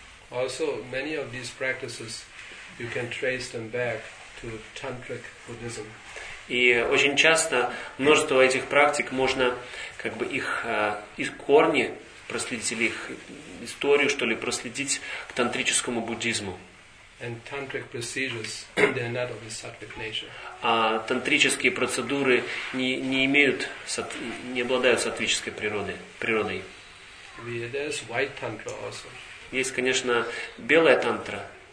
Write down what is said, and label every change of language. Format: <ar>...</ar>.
<en>Also, many of these practices, you can trace them back to tantric Buddhism.</en> <ru>И очень часто множество этих практик можно как бы их из корни проследить или их историю что ли проследить к тантрическому буддизму.</ru> <en>And tantric procedures, they are not of a sattvic nature.</en> <ru>А тантрические процедуры не обладают сатвической природой.</ru> <en>There's white tantra also.</en> <ru>Есть, конечно, белая тантра,</ru>